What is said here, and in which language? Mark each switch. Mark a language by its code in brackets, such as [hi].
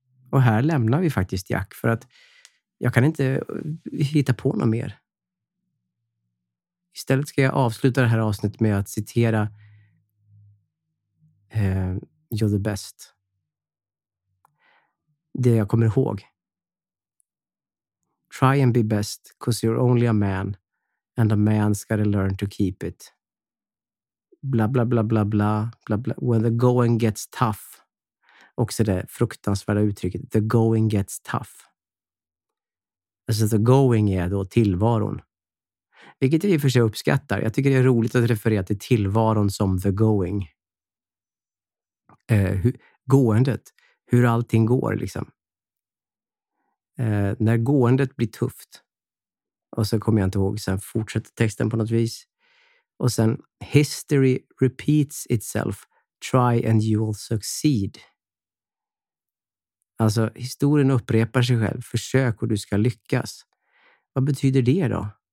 [sv] Och här lämnar vi faktiskt Jack för att jag kan inte hitta på något mer. Istället ska jag avsluta det här avsnittet med att citera You're the best. Det jag kommer ihåg. [en] Try and be best, cause you're only a man, and a man's gotta learn to keep it. Bla bla bla bla bla bla bla. When the going gets tough. [sv] Också det fruktansvärda uttrycket. [en] The going gets tough. [sv] Alltså the going är då tillvaron. Vilket jag i och för sig uppskattar. Jag tycker det är roligt att referera till tillvaron som the going. Gåendet. Hur allting går liksom. När gåendet blir tufft. Och så kommer jag inte ihåg. Sen fortsätter texten på något vis. Och sen [en] history repeats itself. Try and you will succeed. [sv] Alltså, historien upprepar sig själv. Försök och du ska lyckas. Vad betyder det då?